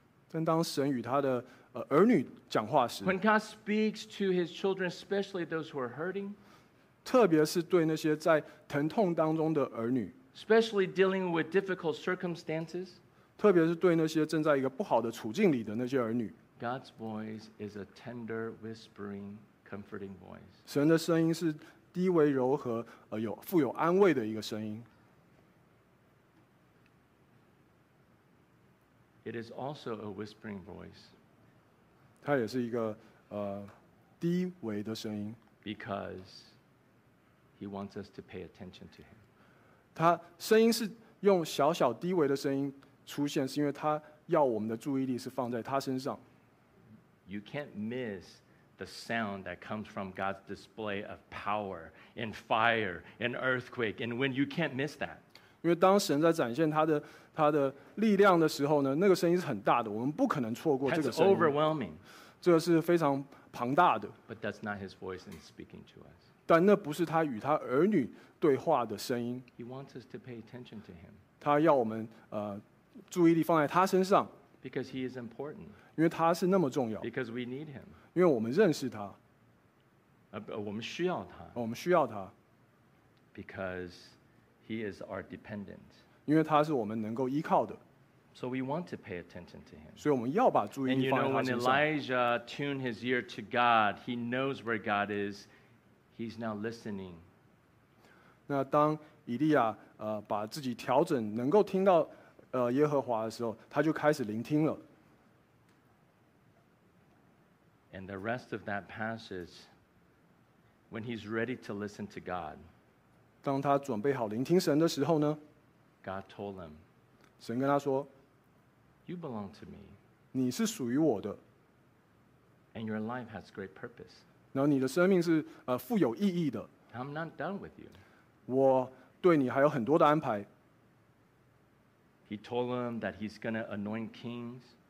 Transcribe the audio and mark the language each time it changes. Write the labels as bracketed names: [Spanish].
[Chinese] 但当神与他的儿女讲话时 [English] ，When God speaks to His children, especially those who are hurting, [Chinese] 特别是对那些在疼痛当中的儿女 [English] ，especially dealing with difficult circumstances. [Chinese] 特别是对那些正在一个不好的处境里的那些儿女 [English] God's voice is a tender, whispering, comforting voice. [Chinese] 神的声音是低微柔和富有安慰的一个声音 [English] It is also a whispering voice. [Chinese] 它也是一个低微的声音 [English] Because He wants us to pay attention to Him. [Chinese] 它声音是用小小低微的声音出现是因为他要我们的注意力是放在他身上。 [English] You can't miss the sound that comes from God's display of power in fire, in earthquake, and when you can't miss that. [Chinese] 因为当神在展现他的力量的时候呢，那个声音是很大的，我们不可能错过这个声音。 [English] That's overwhelming. [Chinese] 这个是非常庞大的。 [English] But that's not His voice in speaking to us. [Chinese] 但那不是他与他儿女对话的声音。 [English] He wants us to pay attention to Him. [Chinese] 他要我们注意力放在他身上 [English] Because he is important. [Chinese] 因为他是那么重要 [English] Because we need him. [Chinese] 因为我们认识他我们需要他我们需要他 [English] Because he is our dependent. [Chinese] 因为他是我们能够依靠的 [English] So we want to pay attention to him. [Chinese] 所以我们要把注意力放在他身上。 [English] And you know, when Elijah tuned his ear to God, he knows where God is. He's now listening. [Chinese] 那当以利亚把自己调整能够听到耶和华的时候，他就开始聆听了。 [English] And the rest of that passage, when he's ready to listen to God, [Chinese] 当他准备好聆听神的时候呢， [English] God told him, [Chinese] 神跟他说， [English] You belong to me, [Chinese] 你是属于我的， [English] and your life has great purpose. [Chinese] 然后你的生命是富有意义的。 [English] I'm not done with you. [Chinese] 我对你还有很多的安排。 [English] He told him that he's going to anoint kings.